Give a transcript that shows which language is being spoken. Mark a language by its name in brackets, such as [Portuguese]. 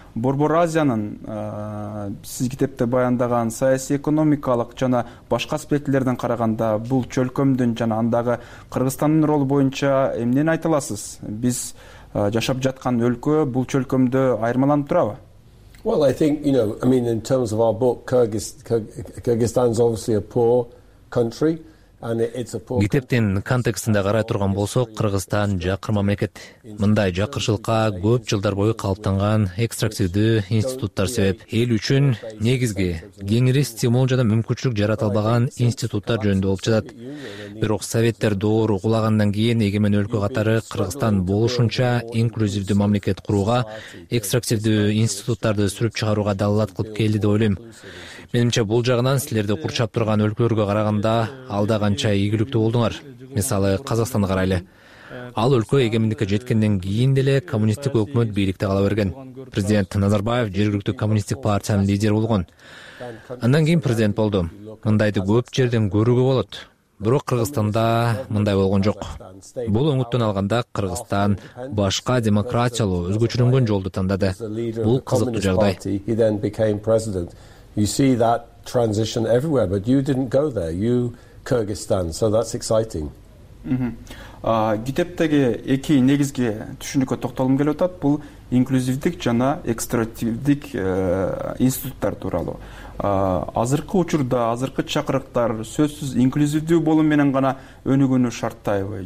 [Kyrgyz] Борбор Азиянын сиз китепте баяндаган саясий, экономикалык жана башка аспектилерден караганда бул чөлкөмдүн жана андагы Кыргызстандын ролу боюнча эмнени айта аласыз? Биз жашап жаткан өлкө бул чөлкөмдө айырмаланып турабы? [English] Well, I think in terms of our book, Kyrgyzstan's obviously a poor country and it's a poor [Kyrgyz] китептин контекстинде карай турган болсок, Кыргызстан жакыр мамлекет. Мындай жакырчылыкка көп жылдар бою калыптанган экстрактивдүү институттар себеп. Эл үчүн негизги кеңири стимул жана мүмкүнчүлүк жарата албаган институттар жөнүндө болуп жатат. Бирок советтер доору кулагандан кийин эгемен өлкө катары Кыргызстан болушунча инклюзивдүү мамлекет курууга, экстрактивдүү институттарды сүрүп чыгарууга далалат кылып келди деп ойлойм. Менимче бул жагынан силерди курчап турган өлкөлөргө караганда алда канча ийгиликтүү болдуңар. Мисалы Казакстанды карайлы. Ал өлкө эгемендикке жеткенден кийин деле коммунисттик өкмөт бийликте кала берген. Президент Назарбаев жергиликтүү коммунисттик партиянын лидери болгон. Андан кийин президент болду. Мындайды көп жерден көрүүгө болот. Бирок Кыргызстанда мындай болгон жок. Бул өңүттөн алганда Кыргызстан башка демократиялуу өзгөчөлөнгөн жолду тандады. Бул кызыктуу жагдай. [English] You see that transition everywhere, but you didn't go there. You, Kyrgyzstan, so that's exciting. [Kyrgyz] Китептеги эки негизги түшүнүккө токтолгум келип атат. Бул инклюзивдик жана экстрактивдик институттар тууралуу. Азыркы учурда, азыркы чакырыктар сөзсүз инклюзивдүү болуу менен гана өнүгүүнү шарттайбы?